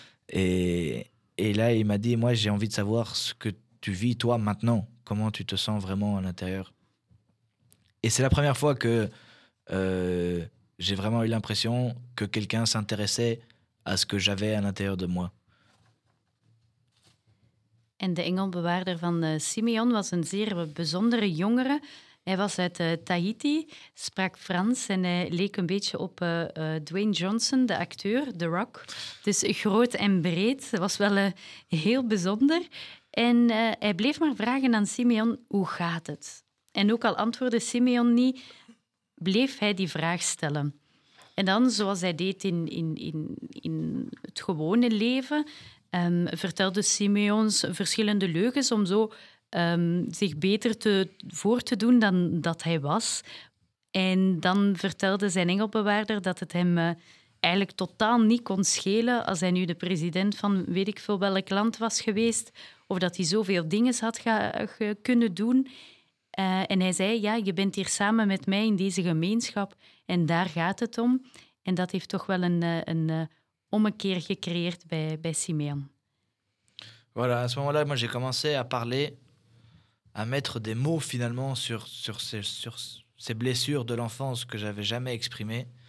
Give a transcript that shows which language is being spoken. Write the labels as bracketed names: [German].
[French] Et là, il m'a dit, moi, j'ai envie de savoir ce que tu vis, toi, maintenant. Comment tu te sens vraiment à l'intérieur. Et c'est la première fois que j'ai vraiment eu l'impression que quelqu'un s'intéressait à ce que j'avais à l'intérieur de moi. [Dutch] En de engelbewaarder van Simeon was een zeer bijzondere jongere. Hij was uit Tahiti, sprak Frans en hij leek een beetje op Dwayne Johnson, de acteur, The Rock. Dus groot en breed, dat was wel heel bijzonder. En hij bleef maar vragen aan Simeon, hoe gaat het? En ook al antwoordde Simeon niet, bleef hij die vraag stellen. En dan, zoals hij deed in het gewone leven... vertelde Simeons verschillende leugens om zo zich beter voor te doen dan dat hij was. En dan vertelde zijn engelbewaarder dat het hem eigenlijk totaal niet kon schelen als hij nu de president van weet ik veel welk land was geweest of dat hij zoveel dingen had kunnen doen. En hij zei, ja, je bent hier samen met mij in deze gemeenschap en daar gaat het om. En dat heeft toch wel een ommekeer gecreëerd bij Simeon. [French] Voilà, à ce moment-là, moi, j'ai commencé à parler, à mettre des mots, finalement, sur ces blessures de l'enfance que je n'avais jamais exprimées.